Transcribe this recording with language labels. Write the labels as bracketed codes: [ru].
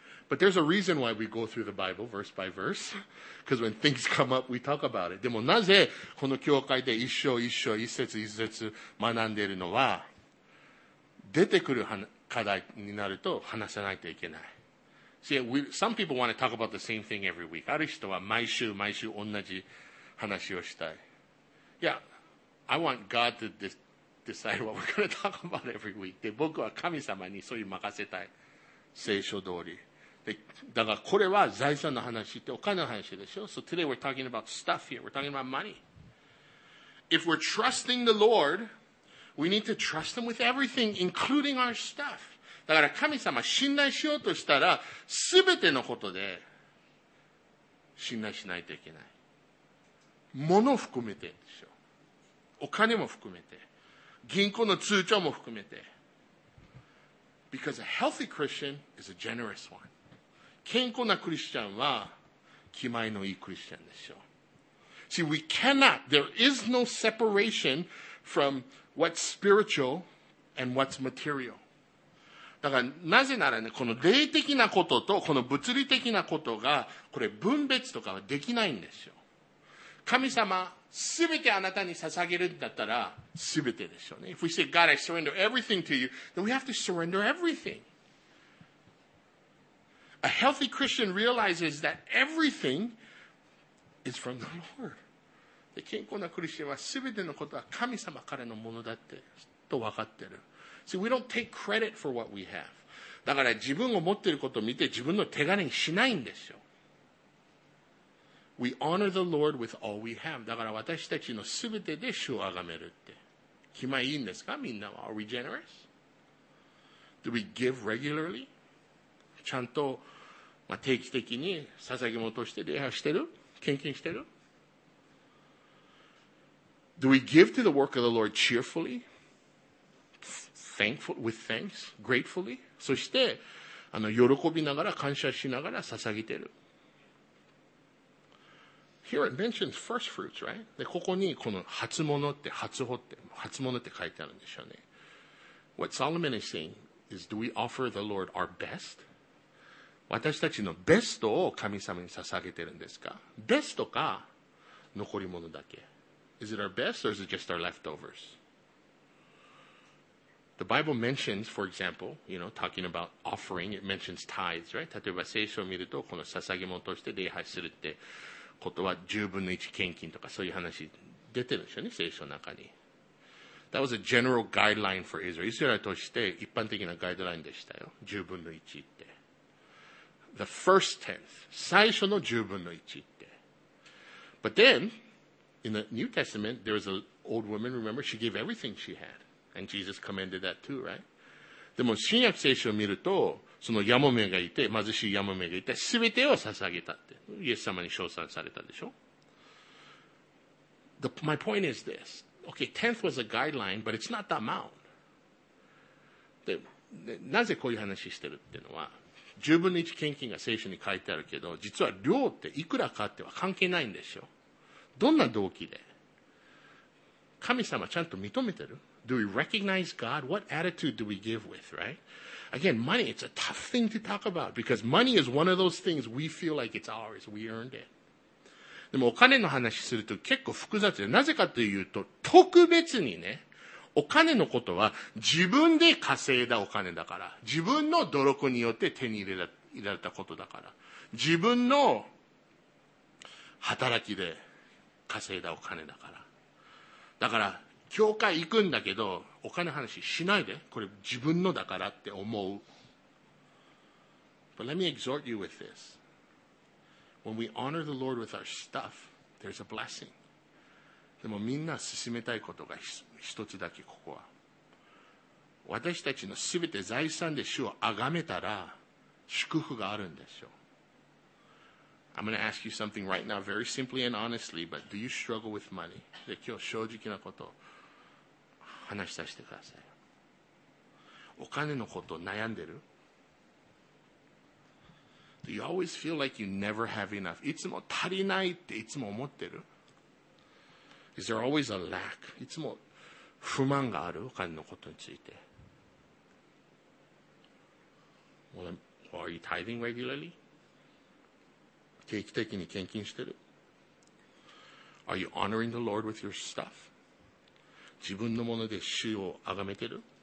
[en] But there's a reason why we go through the Bible verse by verse. Because when things come up, we talk about it. [ja] でもなぜこの教会で一章一章、一節一節学んでいるのは、出てくる課題になると話さないといけない。 [en] See, some people want to talk about the same thing every week. [ja] ある人は毎週毎週同じ話をしたい。 [en] Yeah, I want God to decide what we're going to talk about every week. [ja] で、僕は神様にそういう任せたい。聖書通り。で、だからこれは財産の話ってお金の話でしょ。 [en] So today we're talking about stuff here. We're talking about money. If we're trusting the Lord, we need to trust Him with everything, including our stuff. [ja] だから神様信頼しようとしたら、すべてのことで信頼しないといけない。物を含めてでしょ。お金も含めて。銀行の通帳も含めて。 [en] Because a healthy Christian is a generous one. [ja] 健康なクリスチャンは気前のいいクリスチャンでしょ。 [en] See, we cannot, there is no separation from what's spiritual and what's material. [ja] だからなぜならね、この霊的なこととこの物理的なことがこれ分別とかはできないんですよ。神様すべてあなたに捧げるんだったらすべてでしょうね。 [en] If we say God I surrender everything to you, then we have to surrender everything. A healthy Christian realizes that everything is from the Lord. [ja] で、健康なクリスチャンはすべてのことは神様からのものだってと分かってる。 [en] See, we don't take credit for what we have. [ja] だから自分を持っていることを見て自分の手金にしないんですよ。 [en] We honor the Lord with all we have. [ja] だから私たちのすべてで主をあがめるって。気前いいんですか?みんなは。 [en] Are we generous? Do we give regularly? [ja] ちゃんと、まあ、定期的に捧げ物として礼拝してる? 献金してる? [en] Do we give to the work of the Lord cheerfully? Thankful, with thanks, gratefully. [ja] そして喜びながら感謝しながら捧げてる。 [en] Here it mentions first fruits, right? [ja] で、ここにこの初物って、初穂って、初物って書いてあるんでしょうね。 [en] What Solomon is saying is, do we offer the Lord our best? [ja] 私たちのベストを神様に捧げてるんですか? ベストか残り物だけ。 [en] Is it our best or is it just our leftovers? The Bible mentions, for example, you know, talking about offering, it mentions tithes, right? [ja] 例えば聖書を見ると、この捧げ物として礼拝するってことは、十分の一献金とかそういう話出てるんでしょうね、聖書の中に。 [en] That was a general guideline for Israel. [ja] イスラエルとして一般的なガイドラインでしたよ。十分の一って。 [en] The first tenth. [ja] 最初の十分の一って。 [en] But then, in the New Testament, there was an old woman, remember, she gave everything she had. And Jesus commended that too, right? [ja] でも新約聖書を見ると、そのヤモメがいて、貧しいヤモメがいて、すべてを捧げたって、イエス様に称賛されたでしょ。 [en] My point is this. Okay, tenth was a guideline, but it's not the amount. [ja] で、なぜこういう話してるっていうのは、十分の一献金が聖書に書いてあるけど、実は量っていくらかっては関係ないんでしょ。どんな動機で、神様ちゃんと認めてる。 [en] Do we recognize God? What attitude do we give with, right? Again, money, it's a tough thing to talk about because money is one of those things we feel like it's ours. We earned it. [ja] でもお金の話すると結構複雑で、なぜかというと、特別にね、お金のことは自分で稼いだお金だから、自分の努力によって手に入れられたことだから。自分の働きで稼いだお金だから。だから教会行くんだけどお金話しないで、これ自分のだからって思う。 [en] But let me exhort you with this. When we honor the Lord with our stuff, there's a blessing. [ja] でもみんな進めたいことが一つだけ、ここは私たちのすべて財産で主を崇めたら祝福があるんですよ。 [en] I'm going to ask you something right now, very simply and honestly, but do you struggle with money? [ja] で、今日正直なことを話しさせてください。お金のこと悩んでる? [en] Do you always feel like you never have enough? [ja] いつも足りないっていつも思ってる? [en] Is there always a lack? [ja] いつも不満がある? お金のことについて。 [en] Well, are you tithing regularly? [ja] 定期的に献金してる? [en] Are you honoring the Lord with your stuff? [ja] 自分のもので主を崇めてる?